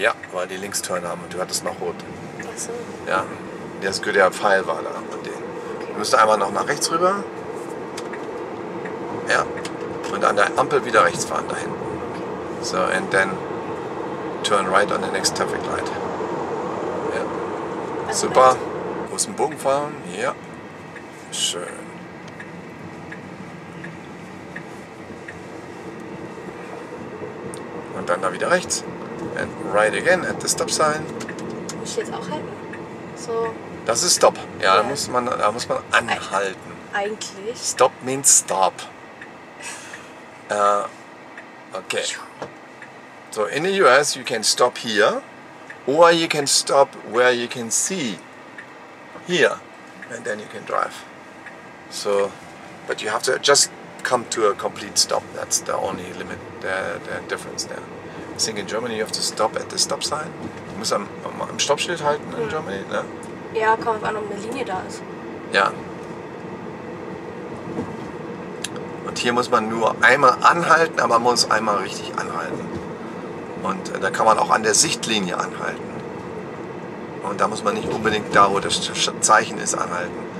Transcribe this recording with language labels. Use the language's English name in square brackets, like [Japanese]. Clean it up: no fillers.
[German] Ja, weil die links turn haben und du hattest noch Rot. Ach so. Ja. Das ist der Pfeil war da. Okay. Du musst einmal noch nach rechts rüber. Ja. Und an der Ampel wieder rechts fahren da hinten. [English] So, and then turn right on the next traffic light. [German] Ja. Also super. Du musst einen Bogen fahren. Ja. Schön. Und dann da wieder rechts. [English] And right again at the stop sign. [German] Muss ich jetzt auch halten? So. Das ist Stop. Ja, ja. Da muss man anhalten. Eigentlich. [English] Stop means Stop. Okay. So in the US you can stop here or you can stop where you can see here and then you can drive. So, but you have to just come to a complete stop. That's the only limit, the difference there. I think in Germany you have to stop at the stop sign. [German] Du musst am Stoppschild halten [English] in Germany, [German] ne? Ja, kommt auf an, ob eine Linie da ist. Ja. Und hier muss man nur einmal anhalten, aber man muss einmal richtig anhalten. Und da kann man auch an der Sichtlinie anhalten. Und da muss man nicht unbedingt da, wo das Zeichen ist, anhalten.